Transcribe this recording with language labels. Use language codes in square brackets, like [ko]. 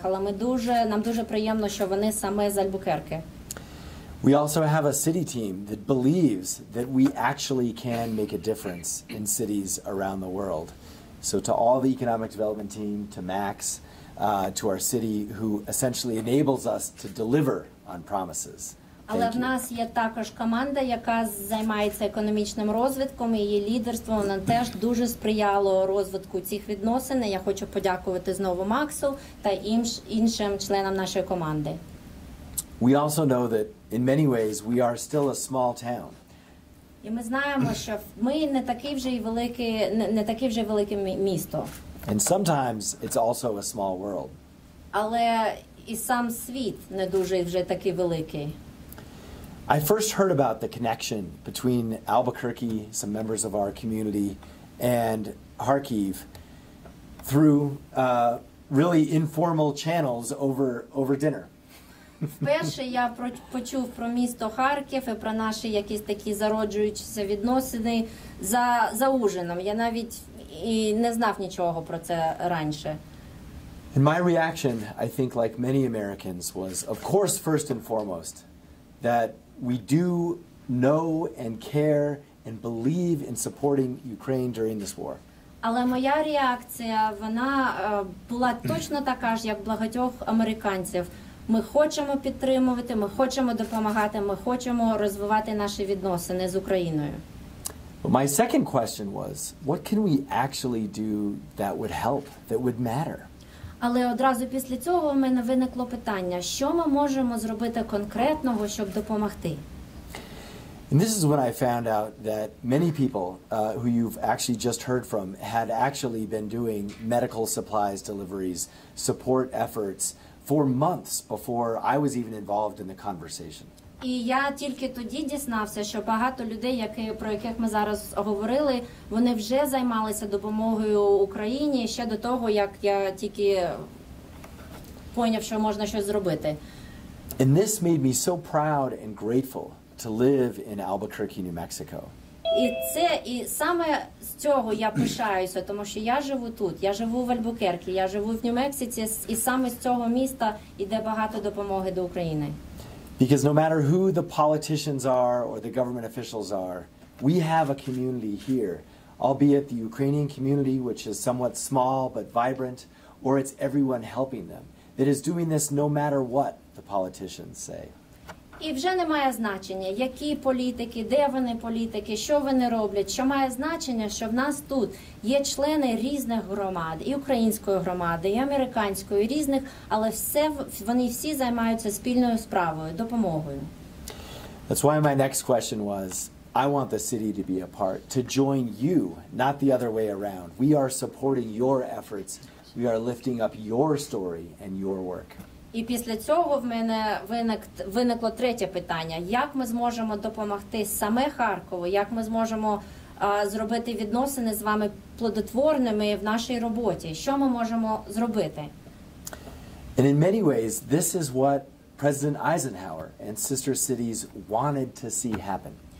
[uk] Але нам дуже приємно, що вони саме з Альбукерки. [en] We also have a city team that believes that we actually can make a difference in cities around the world. So to all the economic development team, to Max, to our city, who essentially enables us to deliver on promises. [uk] Але в нас є також команда, яка займається економічним розвитком, і її лідерство, воно теж дуже сприяло розвитку цих відносин. Я хочу подякувати знову Максу та іншим членам нашої команди. [en] We also know that in many ways we are still a small town. [uk] І ми знаємо, що ми не таке вже велике місто. [en] And sometimes it's also a small world. [uk] Але і сам світ не дуже вже такий великий. [en] I first heard about the connection between Albuquerque, some members of our community, and Kharkiv through really informal channels over dinner. [uk] Вперше я почув про місто Харків і про наші якісь такі зароджуючися відносини за ужином. Я навіть і не знав нічого про це раніше. [en] And my reaction, I think like many Americans, was of course first and foremost that we do know and care and believe in supporting Ukraine during this war. [uk] Але моя реакція, вона була точно така ж, як багатьох американців. Ми хочемо підтримувати, ми хочемо допомагати, ми хочемо розвивати наші відносини з Україною. [en] But my second question was, what can we actually do that would help, that would matter? [uk] Але одразу після цього у мене виникло питання, що ми можемо зробити конкретного, щоб допомогти? [en] And this is when I found out that many people who you've actually just heard from had actually been doing medical supplies deliveries, support efforts for months before I was even involved in the conversation. [uk] І я тільки тоді дізнався, що багато людей, про яких ми зараз говорили, вони вже займалися допомогою Україні ще до того, як я тільки поняв, що можна щось зробити. [en] And this made me so proud and grateful to live in Albuquerque, New Mexico. [uk] І це і саме з цього я пишаюся, тому що я живу тут, я живу в Альбукерке, я живу в Нью-Мексиці, і саме з цього міста йде багато допомоги до України. [en] Because no matter who the politicians are or the government officials are, we have a community here, albeit the Ukrainian community, which is somewhat small but vibrant, or it's everyone helping them, that is doing this no matter what the politicians say. [uk] І вже не має значення, які політики, де вони політики, що вони роблять. Що має значення, що в нас тут є члени різних громад, і української громади, і американської, і різних, але все вони всі займаються спільною справою, допомогою. [en] That's why my next question was, I want the city to be a part, to join you, not the other way around. We are supporting your efforts, we are lifting up your story and your work. [uk] І після цього в мене виникло третє питання. Як ми зможемо допомогти саме Харкову? Як ми зможемо зробити відносини з вами плодотворними в нашій роботі? Що ми можемо зробити? [en] And in many ways, this is what President Eisenhower and sister cities wanted to see happen.